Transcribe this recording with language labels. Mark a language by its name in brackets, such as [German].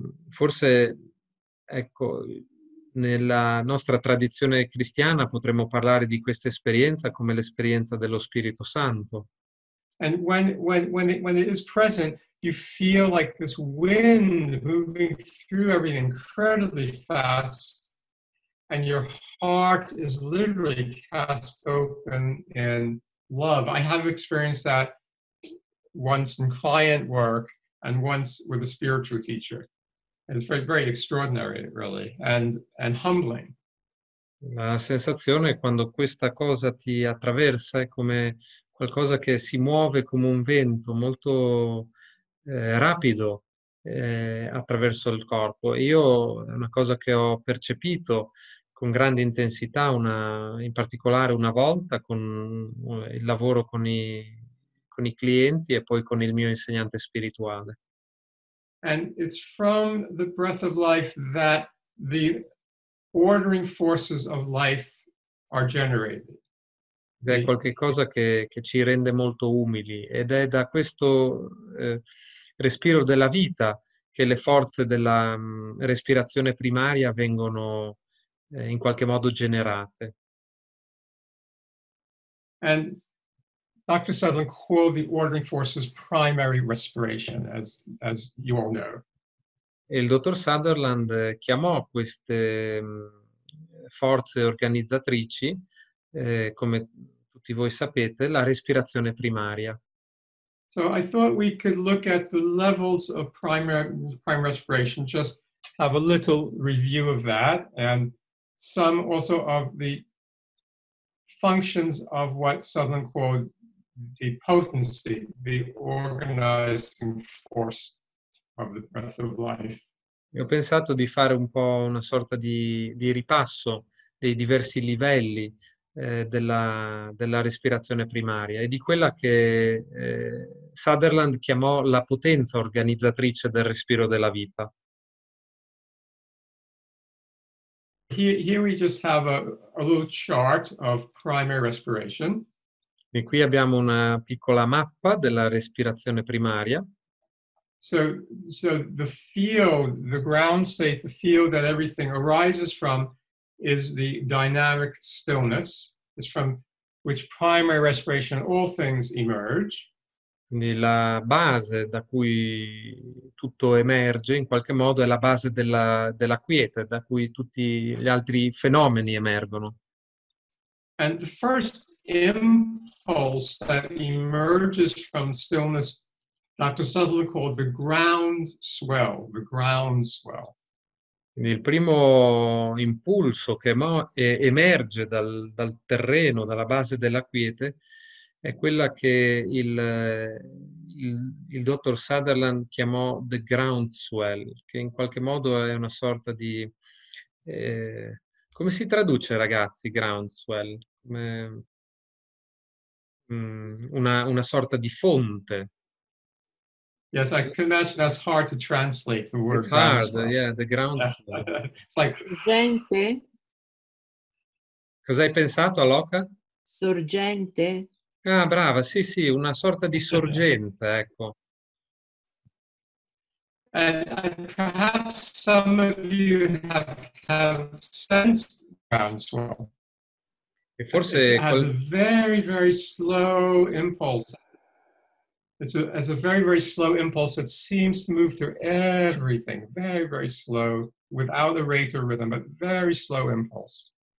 [Italian] Forse, ecco, nella nostra tradizione cristiana potremmo parlare di questa esperienza come l'esperienza dello Spirito Santo. [English] And when it is present, you feel like this wind moving through everything incredibly fast, and your heart is literally cast open in love. I have experienced that once in client work and once with a spiritual teacher. It's very, very extraordinary, really, and humbling. [Italian] La sensazione quando questa cosa ti attraversa è come qualcosa che si muove come un vento molto rapido attraverso il corpo. Io è una cosa che ho percepito con grande intensità, in particolare una volta con il lavoro con i clienti e poi con il mio insegnante spirituale. [English] And it's from the breath of life that the ordering forces of life are generated. [Italian] Ed è qualcosa che ci rende molto umili, ed è da questo respiro della vita che le forze della respirazione primaria vengono in qualche modo generate. [English] And Dr. Sutherland called the ordering forces primary respiration, as you all know. [Italian] Il dottor Sutherland chiamò queste forze organizzatrici, come tutti voi sapete, la respirazione primaria. [English] So I thought we could look at the levels of primary respiration, just have a little review of that, and some also of the functions of what Sutherland called the potency, the organizing force of the breath of life. [Italian] Ho pensato di fare un po' una sorta di ripasso dei diversi livelli della respirazione primaria e di quella che Sutherland chiamò la potenza organizzatrice del respiro della vita. [English] Here we just have a little chart of primary respiration. [Italian] E qui abbiamo una piccola mappa della respirazione primaria. [English] So the field, the ground state, the field that everything arises from is the dynamic stillness. It's from which primary respiration all things emerge. [Italian] La base da cui tutto emerge in qualche modo è la base della quiete, da cui tutti gli altri fenomeni emergono. [English] And the first impulse that emerges from stillness, Dr. Sutherland called the ground swell, the ground swell. [Italian] Il primo impulso che emerge dal terreno, dalla base della quiete, è quella che il dottor Sutherland chiamò the ground swell, che in qualche modo è una sorta di... come si traduce, ragazzi, ground swell? Come, una sorta di fonte. [English] Yes, I can imagine that's hard to translate the word. It's hard, yeah, the ground. It's like [Italian] sorgente. Cosa hai pensato, Aloka? Sorgente. Ah, brava, sì, una sorta di sorgente, ecco. [English] And perhaps some of you have sensed ground swell. [Italian] E forse [English] has a very, very slow impulse. It's a very, very slow impulse that seems to move through everything, very, very slow, without a rate or rhythm, but very slow impulse.